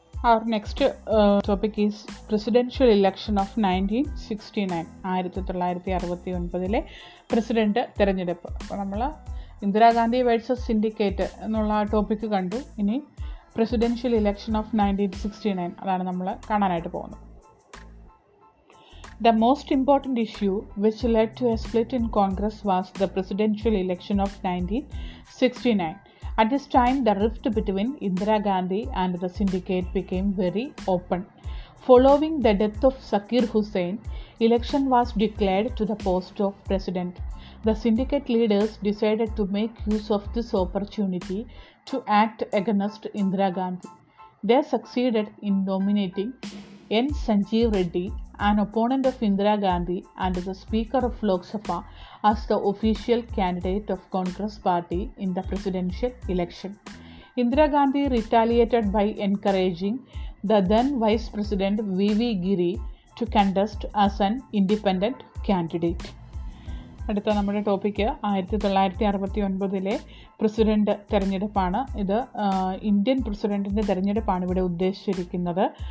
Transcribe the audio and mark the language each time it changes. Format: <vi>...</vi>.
<en>our next topic is presidential election of 1969, 1969</en> <ml>president തിരഞ്ഞെടുപ്പ്. അപ്പോൾ നമ്മൾ ഇന്ദിരാഗാന്ധി വേഴ്സസ് സിൻഡിക്കേറ്റ് എന്നുള്ള ടോപ്പിക്ക് കണ്ടു. ഇനി</ml> <en>presidential election of 1969,</en> <ml>അതാണ് നമ്മൾ കാണാനായിട്ട് പോകുന്നത്.</ml> <en>The most important issue which led to a split in Congress was the presidential election of 1969. At this time, the rift between Indira Gandhi and the syndicate became very open. Following the death of Zakir Hussain, election was declared to the post of president. The syndicate leaders decided to make use of this opportunity to act against Indira Gandhi. They succeeded in nominating N. Sanjeev Reddy, an opponent of Indira Gandhi and the Speaker of Lok Sabha, as the official candidate of Congress Party in the presidential election. Indira Gandhi retaliated by encouraging the then Vice President V.V. Giri to contest as an independent candidate.</en> <ml>അടുത്ത നമ്മുടെ topic 1969 president തിരഞ്ഞെടുപ്പാണ്. ഇത് Indian പ്രസിഡൻറ്റിൻ്റെ തിരഞ്ഞെടുപ്പാണ് ഇവിടെ ഉദ്ദേശിച്ചിരിക്കുന്നത്.</ml>